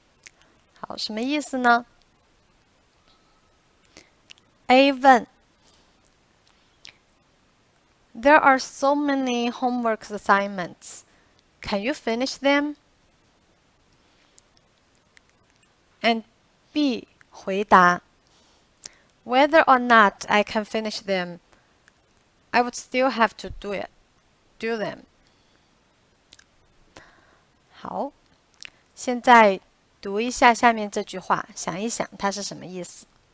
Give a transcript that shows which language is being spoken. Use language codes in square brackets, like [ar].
[zh] 做得了，做不了，都要做啊。好，什么意思呢？ [en] A [zh] 问, [en] There are so many homework assignments. Can you finish them? And B [zh] 回答, [en] Whether or not I can finish them, I would still have to do them. [zh] 好,现在读一下下面这句话,想一想它是什么意思。